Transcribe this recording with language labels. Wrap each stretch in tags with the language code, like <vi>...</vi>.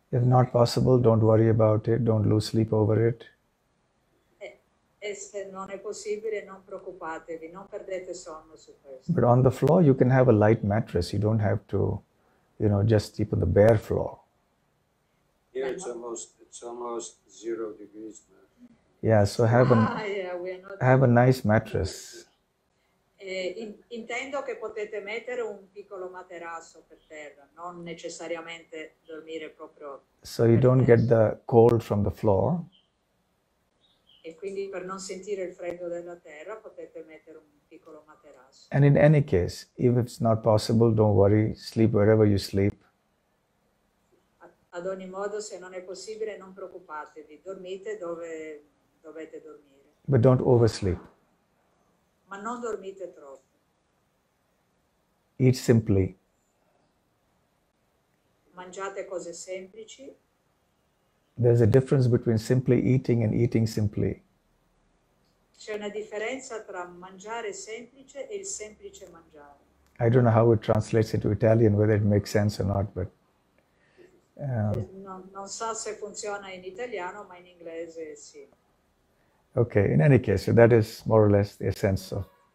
<en>If not possible, don't worry about it, don't lose sleep over it.</en> <it>E se non è possibile, non preoccupatevi, non perdete sonno su questo.</it> <en>But on the floor you can have a light mattress, you don't have to, you know, just sleep on the bare floor. Here it's almost 0 degrees. Yeah, so have a nice mattress.</en> <it>Intendo che potete mettere un piccolo materasso per terra, non necessariamente dormire proprio.</it> <en>So you don't get the cold from the floor.</en> <it>E quindi per non sentire il freddo della terra potete mettere un piccolo materasso.</it> <en>And in any case, if it's not possible, don't worry, sleep wherever you sleep.</en> <it>Ad ogni modo, se non è possibile, non preoccupatevi, dormite dove dovete dormire.</it> <en>But don't oversleep.</en> <it>Ma non dormite troppo.</it> <en>Eat simply.</en> <it>Mangiate cose semplici.</it> <en>There's a difference between simply eating and eating simply.</en> <it>C'è una differenza tra mangiare semplice e il semplice mangiare.</it> <en>I don't know how it translates into Italian, whether it makes sense or not, but</en> <it>non so se funziona in italiano, ma in inglese sì.</it> <en>Okay, in any case, so that is more or less the essence of</en>